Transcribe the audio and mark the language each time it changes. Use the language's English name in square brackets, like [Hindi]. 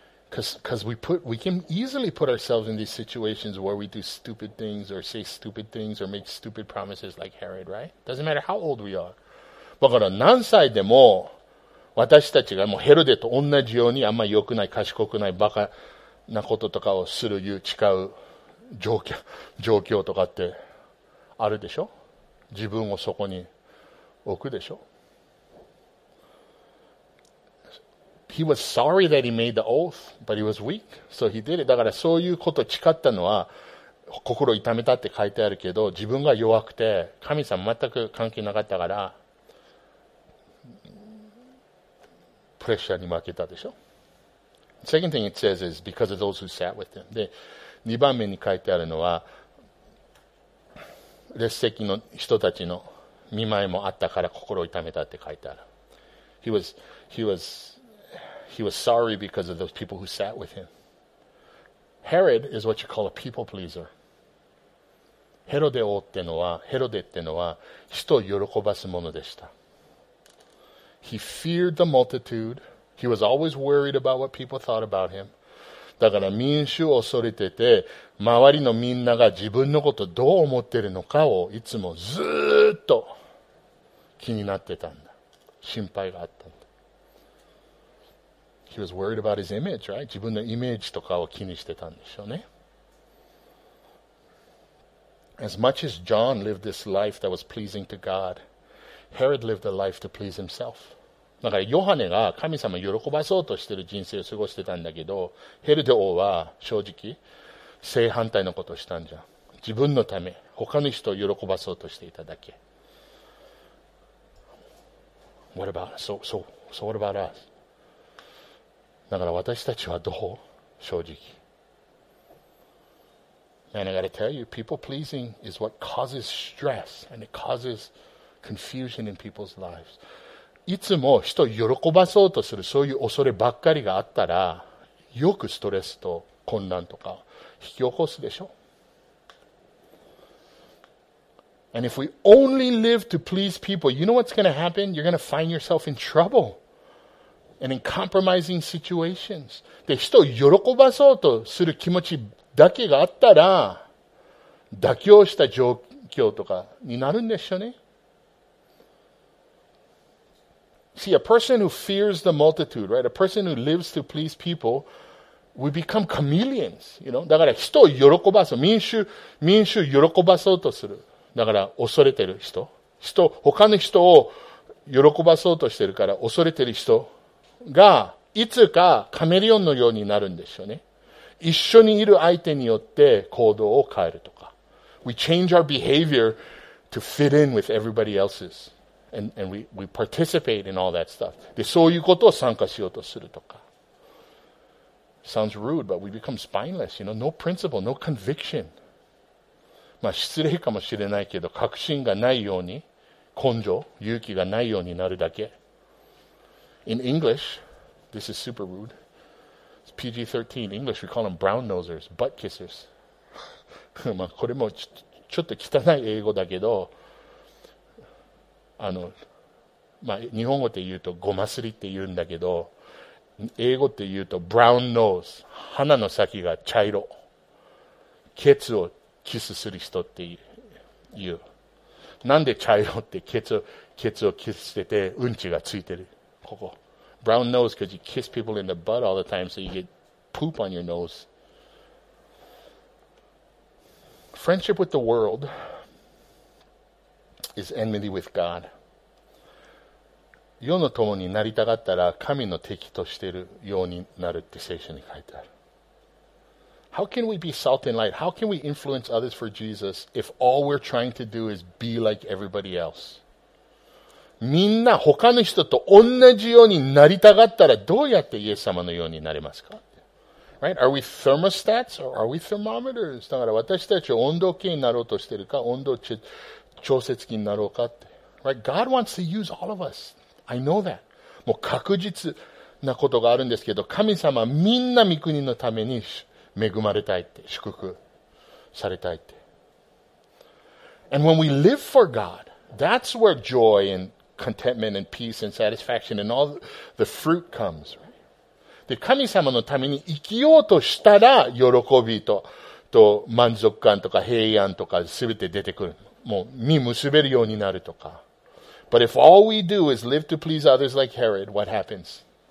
[English] Because we can easily put ourselves in these situations where we do stupid things or say stupid things or make stupid promises like Herod, right? Doesn't matter how old we are. [Japanese] だから何歳でも私たちがもうヘロデと同じようにあんま良くない、賢くない、バカなこととかをする、言う、誓う状況とかって。あるでしょ。自分をそこに置くでしょ。 [English] He was sorry that he made the oath, but he was weak, so he did it. [Japanese] だからそういうことを誓ったのは心を痛めたって書いてあるけど、自分が弱くて神様全く関係なかったからプレッシャーに負けたでしょ。 [English] Second thing it says is because of those who sat with him. [Japanese] で、2番目に書いてあるのは列席の人たちの見舞いもあったから心を痛めたって書いてある。 [English] He was sorry because of those people who sat with him. Herod is what you call a people pleaser. [Japanese] ヘロデ王ってのは、ヘロデってのは人を喜ばすものでした。 [English] He feared the multitude. He was always worried about what people thought about him. [Japanese] だから民衆を恐れてて、周りのみんなが自分のことどう思ってるのかをいつもずっと気になってたんだ。心配があったんだ。 [English] He was worried about his image, right? [Japanese] 自分のイメージとかを気にしてたんでしょうね。 [English] As much as John lived this life that was pleasing to God, Herod lived a life to please himself. [Japanese] だからヨハネが神様を喜ばそうとしてる人生を過ごしてたんだけど、ヘルデ王は正直正反対のことをしたんじゃん。自分のため、他の人を喜ばそうとしていただけ。 [English] What about, so what about us? [Japanese] だから私たちはどう？正直。 [English] And I gotta tell you, people pleasing is what causes stress and it causes confusion in people's lives. [Japanese] いつも人を喜ばそうとするそういう恐ればっかりがあったら、よくストレスと混乱とか引き起こすでしょ。 [English] And if we only live to please people, you know what's gonna happen? You're gonna find yourself in trouble. And in compromising situations. [Japanese] で、人を喜ばそうとする気持ちだけがあったら、妥協した状況とかになるんでしょうね。 [English] See, a person who fears the multitude, right? A person who lives to please people, we become chameleons, you know? [Japanese] だから人を喜ばそう。民衆喜ばそうとする。だから恐れてる人。他の人を喜ばそうとしてるから恐れてる人が、いつかカメレオンのようになるんでしょうね。一緒にいる相手によって行動を変えるとか。 [English] We change our behavior to fit in with everybody else's. And we participate in all that stuff. [Japanese] で、そういうことを参加しようとするとか。 [English] Sounds rude, but we become spineless, you know, no principle, no conviction. [Japanese] まあ、失礼かもしれないけど、確信がないように、根性、勇気がないようになるだけ。 [English] In English, this is super rude. It's PG-13. English, we call them brown nosers, butt kissers. [Japanese] まあ、これもちょっと汚い英語だけど、まあ、日本語で言うとごますりって言うんだけど、英語で言うと brown nose。鼻の先が茶色。ケツをキスする人って言う。なんで茶色ってケツをキスしてて、うんちがついてる。ここ。 [English] Brown nose because you kiss people in the butt all the time, so you get poop on your nose. Friendship with the world is enmity with God. [Japanese] 世の友になりたかったら神の敵としているようになるって聖書に書いてある。 [English] How can we be salt and light? How can we influence others for Jesus if all we're trying to do is be like everybody else? [Japanese] みんな他の人と同じようになりたがったらどうやってイエス様のようになれますか [English] ？Right? Are we thermostats or are we thermometers? [Japanese] だから私たち温度計になろうとしてるか、温度調節器になろうかって。 [English] Right? God wants to use all of us. I know that. [Japanese] もう確実なことがあるんですけど、神様みんな御国のために恵まれたいって、祝福されたいって。 [English] And when we live for God. That's where joy and contentment and peace and satisfaction and all the fruit comes. [Japanese] で、神様のために生きようとしたら、喜びと満足感とか平安とか全て出てくる。もう、身結べるようになるとか。 [English] But if all we do is live to please others like Herod, what happens?